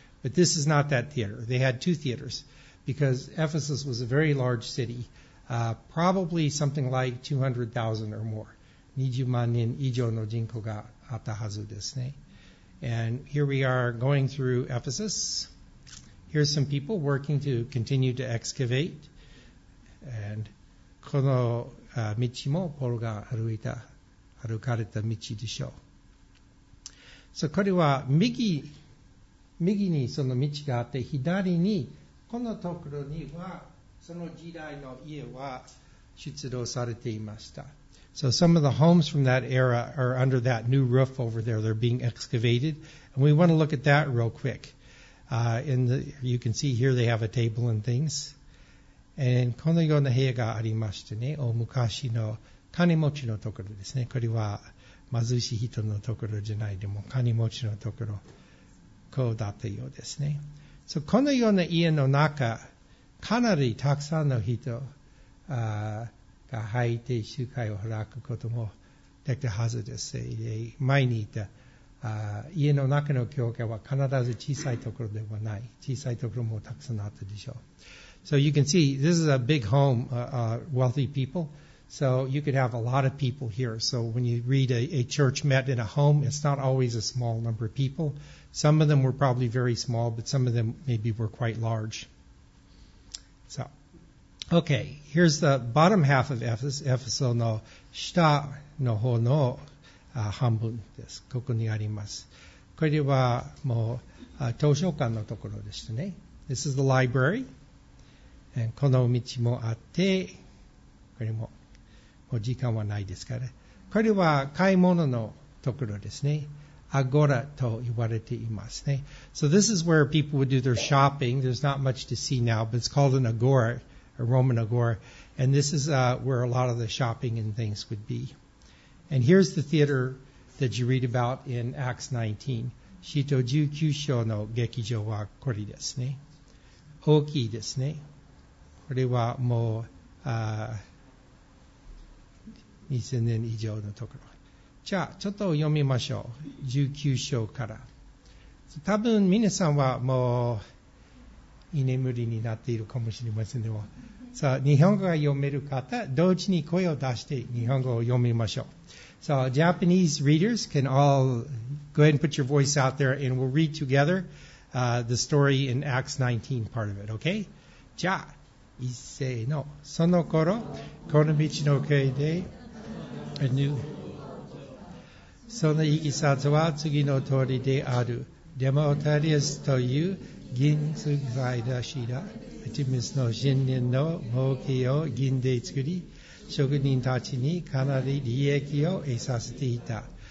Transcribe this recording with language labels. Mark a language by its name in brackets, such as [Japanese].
[English] But this is not that theater. They had two theaters because Ephesus was a very large city, probably something like 200,000 or more. [Japanese] 20万人以上の人口があったはずですね。 [English] And here we are going through Ephesus. Here's some people working to continue to excavate. [Japanese] And この道もポールが歩かれた道でしょう。 So, これは右にその道があって左にこのところにはその時代の家は出土されていました。 [English] So, some of the homes from that era are under that new roof over there. They're being excavated. And we want to look at that real quick. You can see here they have a table and things. [Japanese] And このような部屋がありましてね、お昔の金持ちのところですね。これは貧しい人のところじゃないでも金持ちのところこうだったようですね。 So, このような家の中かなりたくさんの人が入って集会を開くこともできたはずです。前にいた家の中の教会は必ず小さいところではない。小さいところもたくさんあったでしょう。 [English] So you can see this is a big home, wealthy people. So you could have a lot of people here. So when you read a church met in a home, it's not always a small number of people. Some of them were probably very small, but some of them maybe were quite large. So, okay, here's the bottom half of Ephesus [Japanese] の下の方の半分です。ここにあります。これはもう図書館のところでしたね。 [English] This is the library. And [Japanese] この道もあって、これも。もう時間はないですから。これは買い物のところですね。アゴラと言われていますね。 [English] So this is where people would do their shopping. There's not much to see now, but it's called an agora, a Roman agora. And this is where a lot of the shopping and things would be. And here's the theater that you read about in Acts 19. [Japanese] 使徒19章の劇場はこれですね。大きいですね。これはもう、2000年以上のところ。じゃあ、ちょっと読みましょう。19章から。多分皆さんはもう居眠りになっているかもしれませんでは、さあ日本語が読める方、同時に声を出して日本語を読みましょう。 [English] So Japanese readers can all go ahead and put your voice out there and we'll read together the story in Acts 19 part of it, okay? [Japanese] じゃあ、いっせーの。その頃、この道の奥で、その行き先は次の通りである。デモタリアスという銀継がいらしら、アティムスの神殿の儲けを銀で作り、職人たちにかなり利益を得させていた。